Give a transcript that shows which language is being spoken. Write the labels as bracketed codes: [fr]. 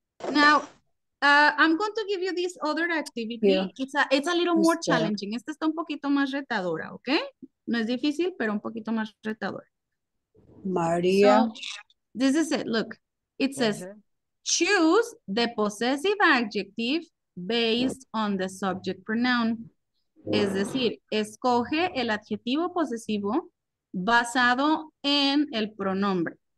[en] Now, I'm going to give you this other activity. Yeah. It's a little more challenging. [es] Esta está un poquito más retadora, [en] ok? [es] No es difícil, pero un poquito más retadora. María. [en] So, this is it, look. It says, choose the possessive adjective based on the subject pronoun. [es] Es decir, escoge el adjetivo posesivo basado en el pronombre.